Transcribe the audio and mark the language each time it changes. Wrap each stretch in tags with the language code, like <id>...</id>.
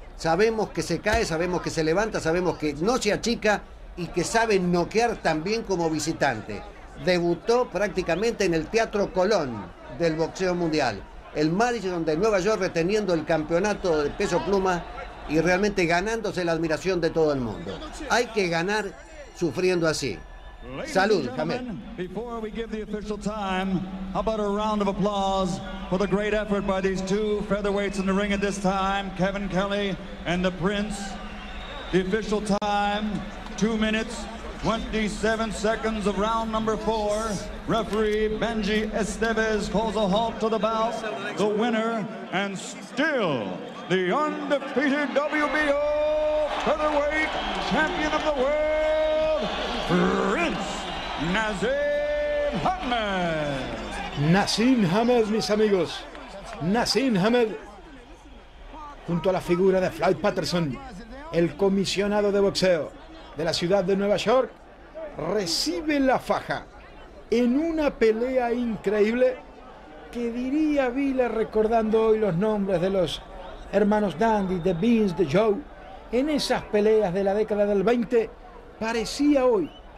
<es>Sabemos que se cae, sabemos que se levanta, sabemos que no se achica, y que sabe noquear también como visitante. Debutó prácticamente en el Teatro Colón del boxeo mundial, el Madison de Nueva York, reteniendo el campeonato de peso pluma y realmente ganándose la admiración de todo el mundo. Hay que ganar sufriendo así. Salud, Jamel.</es> <en>Before we give the official time, how about a round of applause for the great effort by these two featherweights in the ring at this time, Kevin Kelly and the Prince. The official time, 2:27 of round number 4. Referee Benji Estevez calls a halt to the bout. The winner and still the undefeated WBO featherweight champion of the world, Prince Nazim Hamed.</en> <es>Nazim Hamed, mis amigos. Nazim Hamed, junto a la figura de Floyd Patterson, el comisionado de boxeo de la ciudad de Nueva York, recibe la faja en una pelea increíble que diría Vila, recordando hoy los nombres de los hermanos Dandy, de Vince, de Joe, en esas peleas de la década del 20, parecía hoy</es>